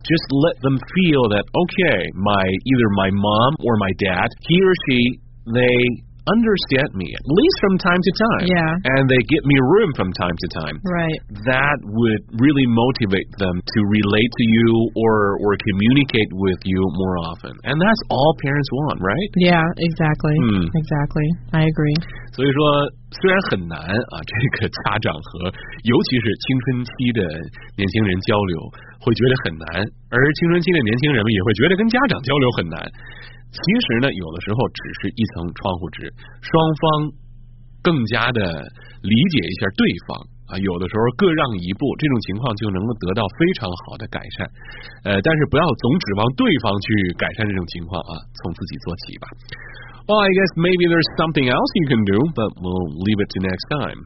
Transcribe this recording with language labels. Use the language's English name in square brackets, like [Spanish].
[English] Just let them feel that, okay, either my mom or my dad, he or she, they understand me, at least from time to time. Yeah. And they give me room from time to time. Right. That would really motivate them to relate to you or communicate with you more often. And that's all parents want, right? Yeah, exactly. Mm. Exactly. I agree. [Chinese] 所以说, 虽然很难, 这个家长和尤其是青春期的年轻人交流, 会觉得很难, 而青春期的年轻人们也会觉得跟家长交流很难。其实呢，有的时候只是一层窗户纸，双方更加的理解一下对方啊，有的时候各让一步，这种情况就能够得到非常好的改善。但是不要总指望对方去改善这种情况啊，从自己做起吧。 [English] Well, I guess maybe there's something else you can do, but we'll leave it to next time.